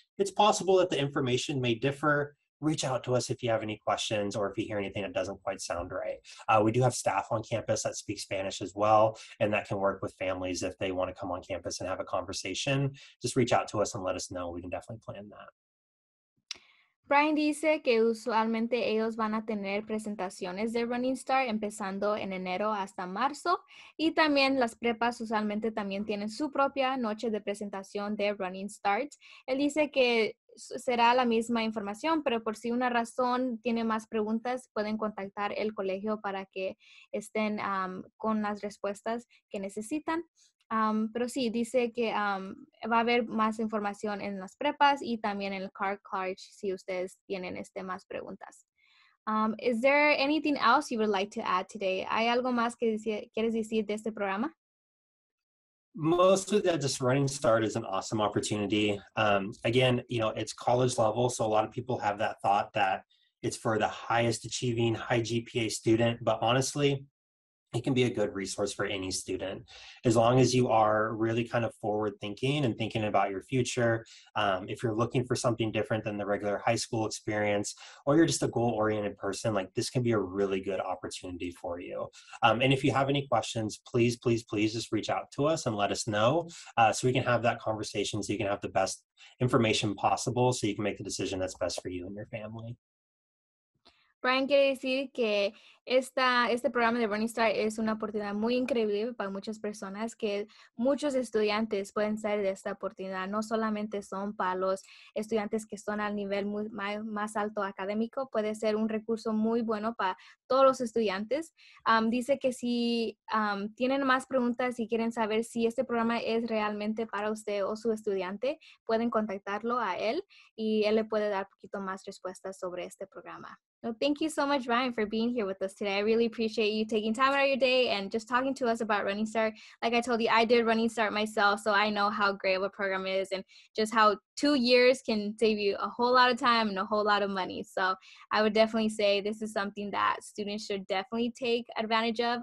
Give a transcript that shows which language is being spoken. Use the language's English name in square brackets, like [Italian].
[English] It's possible that the information may differ. Reach out to us if you have any questions or if you hear anything that doesn't quite sound right. We do have staff on campus that speak Spanish as well, and that can work with families if they want to come on campus and have a conversation. Just reach out to us and let us know. We can definitely plan that. [Spanish] Brian dice que usualmente ellos van a tener presentaciones de Running Start empezando en enero hasta marzo, y también las prepas usualmente también tienen su propia noche de presentación de Running Start. Él dice que será la misma información, pero por si una razón tiene más preguntas, pueden contactar el colegio para que estén con las respuestas que necesitan. Pero sí, dice que va a haber más información en las prepas y también en el Car College si ustedes tienen más preguntas. [English] Is there anything else you would like to add today? [Spanish] ¿Hay algo más que quieres decir de este programa? [English] Mostly that just Running Start is an awesome opportunity. Again, you know, it's college level, so a lot of people have that thought that it's for the highest achieving, high GPA student, but honestly, it can be a good resource for any student. As long as you are really kind of forward thinking and thinking about your future, if you're looking for something different than the regular high school experience, or you're just a goal-oriented person, like, this can be a really good opportunity for you. And if you have any questions, please, please, please just reach out to us and let us know so we can have that conversation, so you can have the best information possible so you can make the decision that's best for you and your family. [Spanish] Brian quiere decir que este programa de Running Start es una oportunidad muy increíble para muchas personas, que muchos estudiantes pueden salir de esta oportunidad. No solamente son para los estudiantes que están al nivel más alto académico, puede ser un recurso muy bueno para todos los estudiantes. Dice que si tienen más preguntas y quieren saber si este programa es realmente para usted o su estudiante, pueden contactarlo a él y él le puede dar un poquito más respuestas sobre este programa. [English] Well, thank you so much, Ryan, for being here with us today. I really appreciate you taking time out of your day and just talking to us about Running Start. Like I told you, I did Running Start myself, so I know how great of a program is and just how 2 years can save you a whole lot of time and a whole lot of money. So I would definitely say this is something that students should definitely take advantage of.